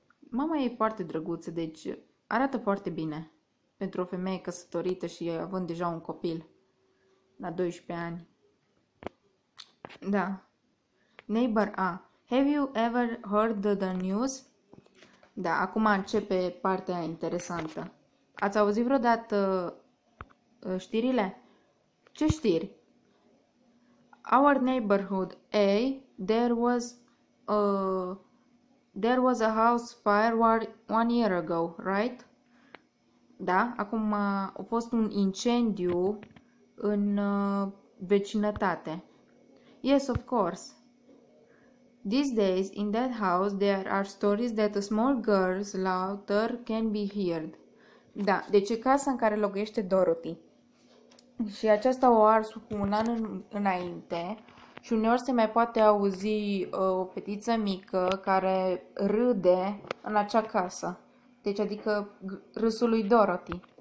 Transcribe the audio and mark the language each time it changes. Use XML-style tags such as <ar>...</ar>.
<ro>Mama e foarte drăguță, deci... arată foarte bine pentru o femeie căsătorită și având deja un copil la 12 ani. Da. Neighbor A.</ro> <en>Have you ever heard the news?</en> <ro>Da, acum începe partea interesantă. Ați auzit vreodată știrile? Ce știri?</ro> <en>Our neighborhood A. There was a house fire one year ago, right?</en> <ro>Da, acum a fost un incendiu în vecinătate.</ro> <en>Yes, of course. These days, in that house, there are stories that a small girl's laughter can be heard.</en> <ro>Da, deci e casa în care locuiește Dorothy. Și aceasta o ars cu un an înainte. Și uneori se mai poate auzi o fetiță mică care râde în acea casă. Deci, adică râsul lui Dorothy.</ro>